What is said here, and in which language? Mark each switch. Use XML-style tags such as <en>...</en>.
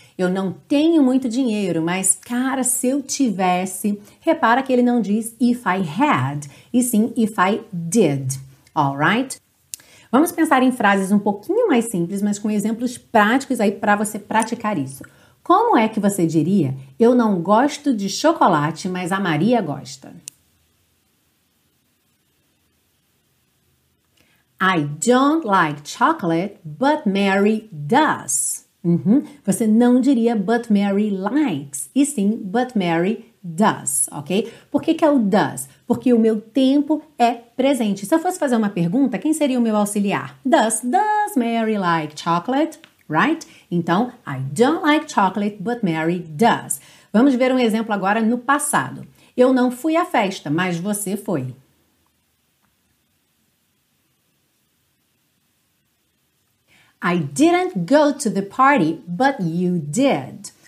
<pt>Eu não tenho muito dinheiro, mas cara, se eu tivesse, repara que ele não diz</pt> <en>if I had,</en> <pt>e sim</pt> <en>if I did. Alright?</en> <pt>Vamos pensar em frases um pouquinho mais simples, mas com exemplos práticos aí para você praticar isso. Como é que você diria, eu não gosto de chocolate, mas a Maria gosta?</pt> <en>I don't like chocolate, but Mary does. Uhum.</en> <pt>Você não diria,</pt> <en>but Mary likes,</en> <pt>e sim,</pt> <en>but Mary does,</en> <pt>ok? Por que que é o does? Porque o meu tempo é presente. Se eu fosse fazer uma pergunta, quem seria o meu auxiliar?</pt> <en>Does Mary like chocolate, right? Então, I don't like chocolate, but Mary does.</en> <pt>Vamos ver um exemplo agora no passado. Eu não fui à festa, mas você foi.</pt> <en>I didn't go to the party, but you did.</en>